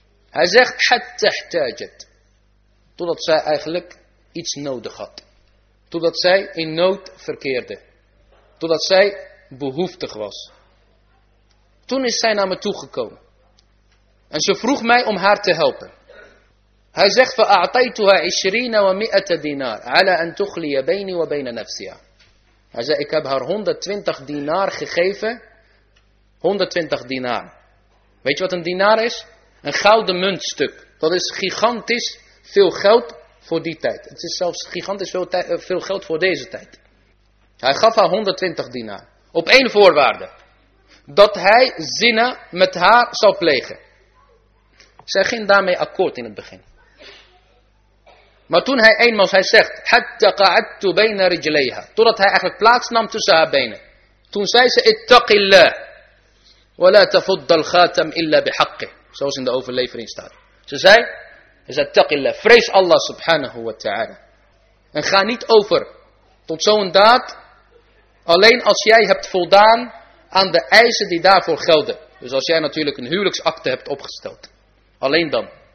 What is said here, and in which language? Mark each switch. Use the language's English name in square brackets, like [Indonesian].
[Dutch] Hij zegt, [Arabic] حَتَّ احْتَاجَتْ. [Dutch] Totdat zij eigenlijk iets nodig had. Totdat zij in nood verkeerde. Totdat zij behoeftig was. Toen is zij naar me toegekomen. En ze vroeg mij om haar te helpen. Hij zegt, [Arabic] فَأَعْطَيْتُهَا عِشْرِينَ وَمِئَةَ دِينَارِ عَلَى أَنْ تُخْلِيَ بَيْنِي وَبَيْنَ نَفْسِيَا. [Dutch] Hij zegt, ik heb haar 120 dinar gegeven. 120 dinar. Weet je wat een dinar is? Een gouden muntstuk. Dat is gigantisch veel geld voor die tijd. Het is zelfs gigantisch veel geld voor deze tijd. Hij gaf haar 120 dinar. Op één voorwaarde. Dat hij zinnen met haar zou plegen. Zij ging daarmee akkoord in het begin. Maar toen hij eenmaal, hij zegt, [Arabic] حَتَّقَعَدْتُ بَيْنَ رِجْلَيْهَا. [Dutch] Totdat hij eigenlijk plaats nam tussen haar benen. Toen zei ze, [Arabic] اتَّقِ اللَّهِ وَلَا تَفُدَّ الْخَاتَمْ إِلَّا بِحَقِّهِ. [Dutch] Zoals in de overlevering staat. Ze zei, [Arabic] اتَّقِ اللَّهِ, [Dutch] vrees Allah subhanahu wa ta'ala. En ga niet over tot zo'n daad, alleen als jij hebt voldaan aan de eisen die daarvoor gelden. Dus als jij natuurlijk een huwelijksakte hebt opgesteld. Alleen dan.